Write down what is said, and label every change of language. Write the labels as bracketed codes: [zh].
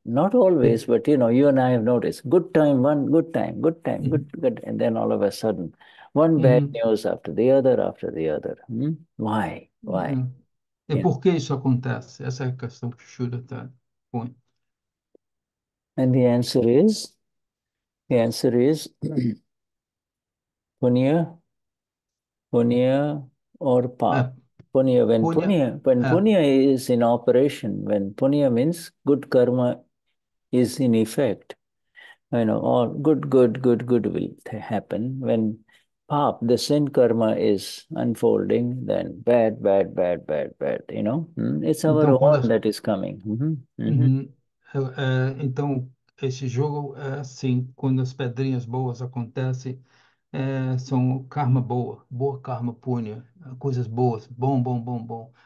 [en] Not always, but you know, you and I have noticed. Good time, one good time, good time, good. And then all of a sudden, one bad news after the other, Why? Why? [pt] E por que isso acontece? Essa é a questão que o Shura está põe. [en] And the answer is punya. Punya or pap? Punya, [pt] Punha. [en] when punya is in operation, when punya means good karma is in effect, you know, all good will happen. When pap, the sin karma is unfolding, then bad, you know. It's our [pt] Então, quando [en] own that is coming. [pt] então esse jogo é assim, quando as pedrinhas boas acontecem, são karma boa, boa karma, punha, coisas boas, bom, bom, bom, bom.